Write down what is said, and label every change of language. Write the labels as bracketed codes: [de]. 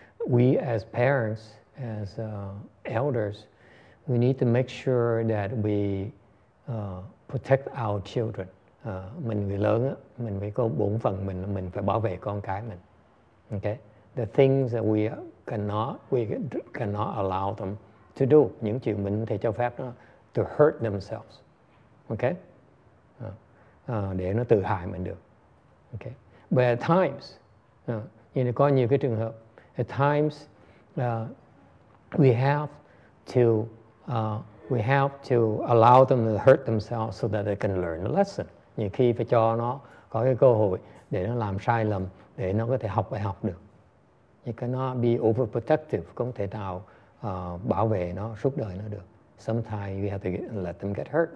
[en] We as parents, as elders, we need to make sure that we protect our children. [vi] Mình người lớn á, mình phải có bổn phận mình phải bảo vệ con cái mình. [en] Okay? The things that we cannot allow them to do, [vi] những chuyện mình không thể cho phép nó, [en] to hurt themselves, okay? [vi] Để nó tự hại mình được, okay? [en] But at times, you know, [vi] có nhiều cái trường hợp, [en] at times, we have to allow them to hurt themselves so that they can learn a lesson. [vi] Nhiều khi phải cho nó có cái cơ hội để nó làm sai lầm, để nó có thể học bài học được. [en] You cannot be overprotective, [vi] không thể nào bảo vệ nó suốt đời nó được. [en] Sometimes you have to let them get hurt.